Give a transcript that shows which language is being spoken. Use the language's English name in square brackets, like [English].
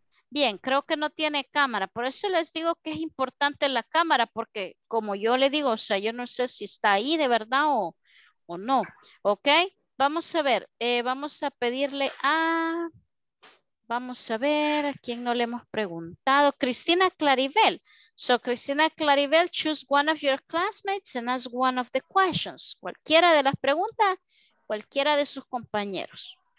[Spanish] Bien, creo que no tiene cámara. Por eso les digo que es importante la cámara, porque como yo le digo, o sea, yo no sé si está ahí de verdad o no. ¿Ok? Vamos a ver. Vamos a pedirle a... Vamos a ver a quién no le hemos preguntado. Cristina Claribel. [English] So, Cristina Claribel, choose one of your classmates and ask one of the questions. [Spanish] Cualquiera de las preguntas, cualquiera de sus compañeros.